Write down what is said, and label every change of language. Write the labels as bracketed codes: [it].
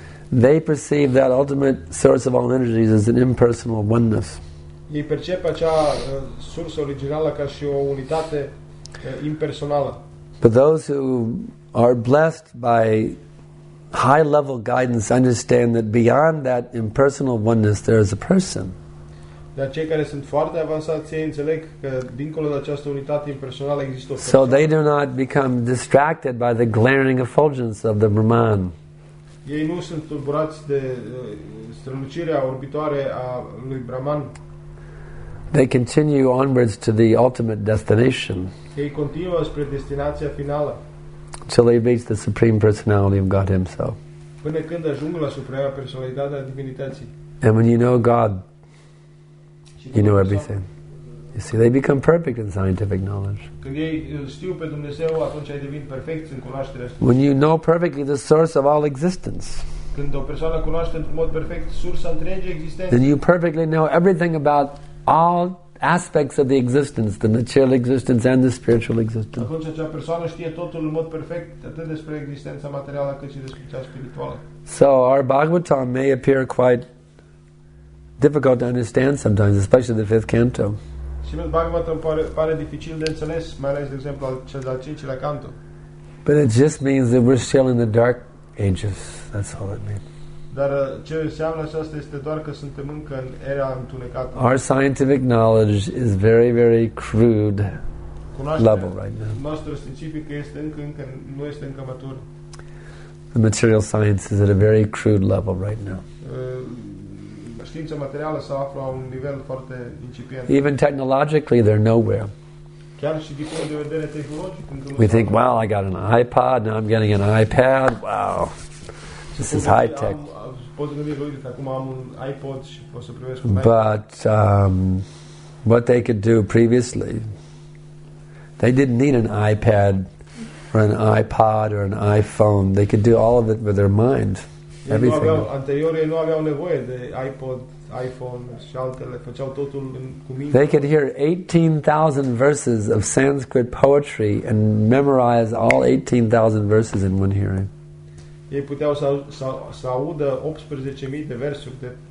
[en] they perceive that ultimate source of all energies as an impersonal oneness. [ro] Ei percep acea sursă originală ca și o unitate impersonală. [en] But those who are blessed by high level guidance understand that beyond that impersonal oneness there is a person. [ro] Dar cei care sunt foarte avansați înțeleg că dincolo de această unitate impersonală există o persoană. [en] So they do not become distracted by the glaring effulgence of the Brahman. [ro] Ei nu sunt tulburați de strălucirea orbitoare a lui Brahman. [en] They continue onwards to the ultimate destination. [ro] Ei continuă spre destinația finală. [en] Till they reach the Supreme Personality of God Himself. [ro] Până când ajung la suprema personalitate a divinității. [en] And when you know God, you know everything. You see, they become perfect in scientific knowledge. [ro] Când ei știu pe Dumnezeu, atunci ai devenit perfect în cunoașterea. [en] When you know perfectly the source of all existence. [ro] Când o persoană cunoaște într-un mod perfect sursa întregii existențe. [en] Then you perfectly know everything about all aspects of the existence, the material existence and the spiritual existence. [ro] Atunci acea persoană știe totul în mod perfect, atât despre existența materială, cât și despre cea spirituală. [en] So our Bhagavatam may appear quite difficult to understand sometimes, especially the fifth canto. [ro] Simt Bhagavatam pare dificil de înțeles, mai ales de exemplu al cel de-al cincilea canto. [en] But it just means that we're still in the dark ages. That's all it means. [ro] Dar ce înseamnă aceasta este doar că suntem încă în era întunecată. [en] Our scientific knowledge is very, very crude level right now. [ro] Cunoașterea științifică este încă nu este încă matură. [en] The material science is at a very crude level right now. [ro] Știința materială se află la un nivel foarte incipient. [en] Even technologically, they're nowhere. [ro] Chiar și din punct de vedere tehnologic, [en] we think, wow, I got an iPod, now I'm getting an iPad, wow. This is high tech. But what they could do previously, they didn't need an iPad or an iPod or an iPhone. They could do all of it with their mind. Everything. They could hear 18,000 verses of Sanskrit poetry and memorize all 18,000 verses in one hearing. [ro] ei puteau să audă 18.000 de versuri de